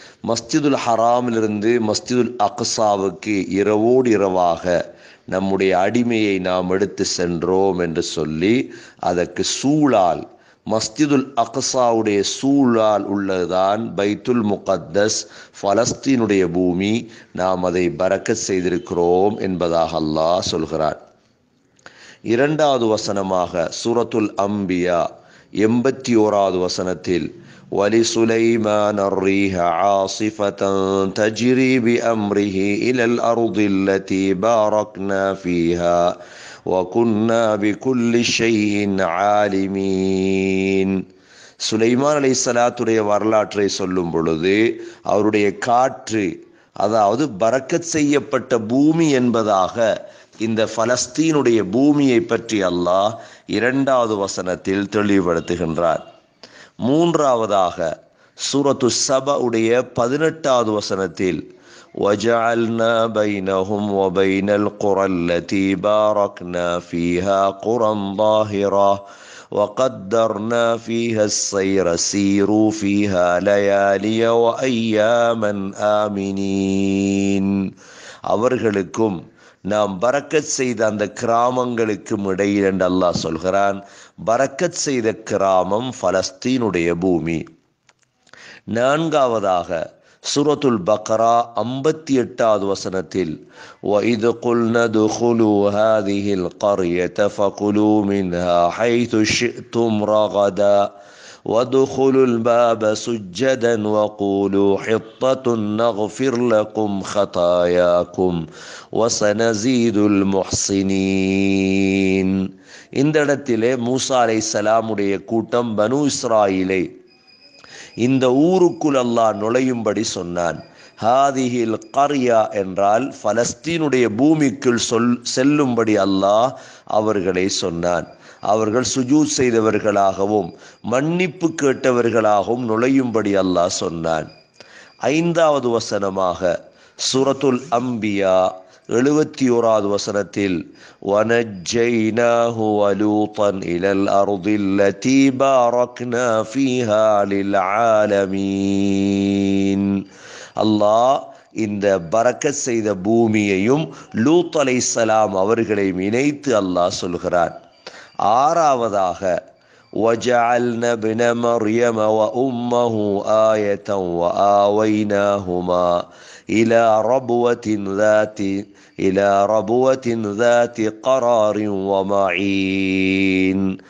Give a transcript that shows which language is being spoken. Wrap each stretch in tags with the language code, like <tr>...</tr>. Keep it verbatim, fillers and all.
<ta>மஸ்ஜிதுல் ஹராமிலிருந்து மஸ்ஜிதுல் அக்ஸாவுக்கு இரவோடு இரவாக நம்முடைய அடிமையை நாம் எடுத்து சென்றோம் என்று சொல்லி, அதற்கு சூழால் மஸ்ஜிதுல் அக்ஸாவுடைய சூழால் உள்ளதுதான் பைத்துல் முகத்தஸ், ஃபலஸ்தீனுடைய பூமி. நாம் அதை பரக்கத் செய்திருக்கிறோம் என்பதாக அல்லாஹ் சொல்கிறார். இரண்டாவது வசனமாக சூரத்துல் அம்பியா எண்பத்தி ஓராவது வசனத்தில்</ta> <ar>وَلِسُلَيْمَانَ الرِّيحَ عَاصِفَةً تَجْرِي بِأَمْرِهِ إِلَى الْأَرْضِ الَّتِي بَارَكْنَا فِيهَا وَكُنَّا بِكُلِّ شَيْءٍ عَالِمِينَ.</ar> <ta>சுலைமான் அலைஹிஸ்ஸலாத்துடைய வரலாற்றை சொல்லும் பொழுது அவருடைய காற்று, அதாவது பரக்கத் செய்யப்பட்ட பூமி என்பதாக இந்த ஃபலஸ்தீனுடைய பூமியை பற்றி அல்லாஹ் இரண்டாவது வசனத்தில் தெளிவுபடுத்துகின்றார். மூன்றாவதாக சூரத்து சபா உடைய பதினெட்டாவது வசனத்தில்</ta> <ar>وَجَعَلْنَا بَيْنَهُمْ وَبَيْنَ الْقُرَى الَّتِي بَارَكْنَا فِيهَا قُرًى ظَاهِرَةً وَقَدَّرْنَا فِيهَا السَّيْرَ سِيرُوا فِيهَا لَيَالِيَ وَأَيَّامًا آمِنِينَ.</ar> <ta>அவர்களுக்கும் நாம் பரக்கத் செய்த அந்த கிராமங்களுக்கும் இடையில் என்று அல்லாஹ் சொல்கிறான். பரக்கத் செய்த கிராமம் ஃபலஸ்தீனுடைய பூமி. நான்காவதாக சூரத்துல் பக்ரா ஐம்பத்தி எட்டாவது வசனத்தில்</ta> <ar>وَإِذْ قُلْنَا ادْخُلُوا هَٰذِهِ الْقَرْيَةَ فَكُلُوا مِنْهَا حَيْثُ شِئْتُمْ رَغَدًا وَادْخُلُوا الْبَابَ سُجَّدًا وَقُولُوا حِطَّةٌ نَغْفِرْ لَكُمْ خَطَايَاكُمْ وَسَنَزِيدُ الْمُحْسِنِينَ.</ar> <ta>இந்த இடத்திலே மூசா அலைஹிஸ்ஸலாமுடைய கூட்டம் பனு இஸ்ராயிலை இந்த ஊருக்குள் அல்லாஹ் நுழையும்படி சொன்னான். ஹாதிஹில் கர்யா என்றால் ஃபலஸ்தீனுடைய பூமிக்குள் சொல் செல்லும்படி அல்லாஹ் அவர்களை சொன்னான். அவர்கள் சுஜூத் செய்தவர்களாகவும் மன்னிப்பு கேட்டவர்களாகவும் நுழையும்படி அல்லாஹ் சொன்னான். ஐந்தாவது வசனமாக சூரத்துல் அம்பியா எழுபத்தி ஓராவது வசனத்தில்</ta> <ar>وَنَجَّيْنَاهُ وَلُوطًا إِلَى الْأَرْضِ الَّتِي بَارَكْنَا فِيهَا لِلْعَالَمِينَ.</ar> <ta>அல்லாஹ் இந்த பரக்கத் செய்த பூமியையும் லூத் அலைஹிஸ்ஸலாம் அவர்களையும் இணைத்து அல்லாஹ் சொல்கிறான். ஆறாவதாக</ta> <ar>وَجَعَلْنَا ابْنَ مَرْيَمَ وَأُمَّهُ آيَةً وَآوَيْنَاهُمَا إِلَى رَبْوَةٍ ذَاتِ إِلَى رَبْوَةٍ ذَاتِ قَرَارٍ وَمَعِينٍ.</ar>